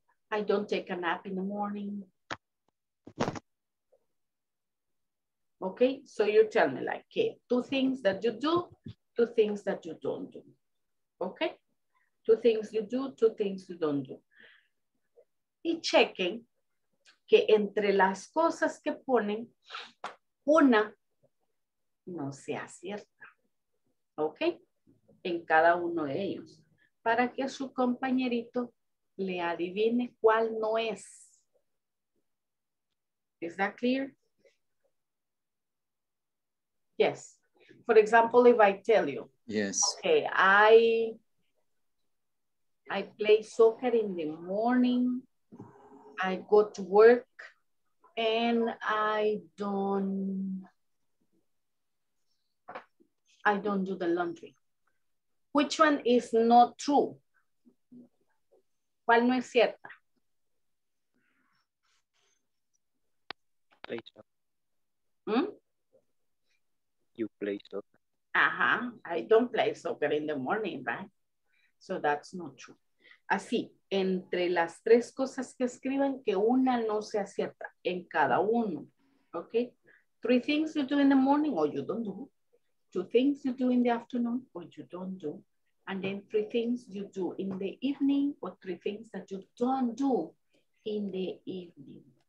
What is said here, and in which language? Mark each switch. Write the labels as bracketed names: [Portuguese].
[English] I don't take a nap in the morning. Okay, so you tell me like, okay, two things that you do, two things that you don't do. Okay, two things you do, two things you don't do. [Spanish] Y chequen que entre las cosas que ponen, una no sea cierta. Okay, en cada uno de ellos, para que su compañerito le adivine cuál no es. [English] Is that clear? Yes. For example, if I tell you, yes, okay, I play soccer in the morning, I go to work, and I don't do the laundry. Which one is not true? [Spanish] ¿Cuál no es cierta? [English] Play soccer. ¿Mm? You play soccer. Uh-huh. I don't play soccer in the morning, right? So that's not true. [Spanish] Así, entre las tres cosas que escriben, que una no sea cierta en cada uno. [English] Okay? Three things you do in the morning or you don't do. Two things you do in the afternoon or you don't do. And then three things you do in the evening or three things that you don't do in the evening.